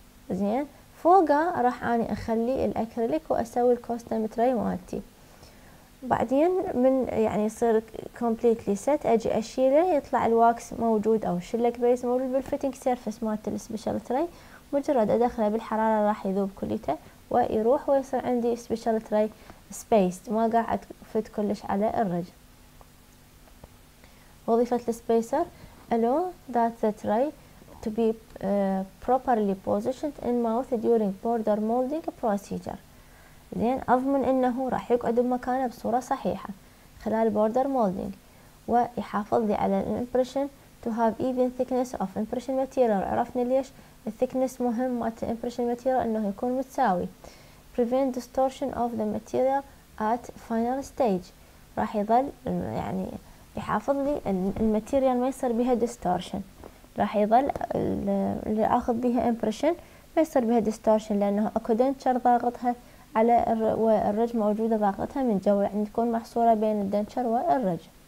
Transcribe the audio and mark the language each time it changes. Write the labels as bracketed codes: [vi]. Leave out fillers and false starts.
[ar] زين فوقه راح أني أخلي الأكريليك وأسوي الكوستم تري مالتي، بعدين من يعني يصير كومبليتلي سيت اجي اشيله، يطلع الواكس موجود او شلك بيس موجود بالفيتنج سيرفس مالت السبيشال تري، مجرد ادخله بالحراره راح يذوب كليته ويروح ويصير عندي سبيشال تري سبيس ما قاعد فت كلش على الرجل. وظيفة السبيسر [en] along that the tray to be properly positioned in mouth during border molding procedure. [ar] زين أضمن إنه راح يقعد بمكانه بصورة صحيحة خلال border molding ويحافظ لي على الإمبريشن [en] to have even thickness of impression material. [ar] عرفنا ليش الثيكنس مهم مع الإمبريشن material إنه يكون متساوي. [en] Prevent distortion of the material at final stage. [ar] راح يظل يعني يحافظ لي الماتيريال ما يصير بها ديستورشن. راح يظل اللي اخذ بها امبريشن ما يصير بها ديستورشن لانه اكو دنشر ضاغطها على الرج موجوده ضاغطها من جوا يعني تكون محصوره بين الدنشر والرج.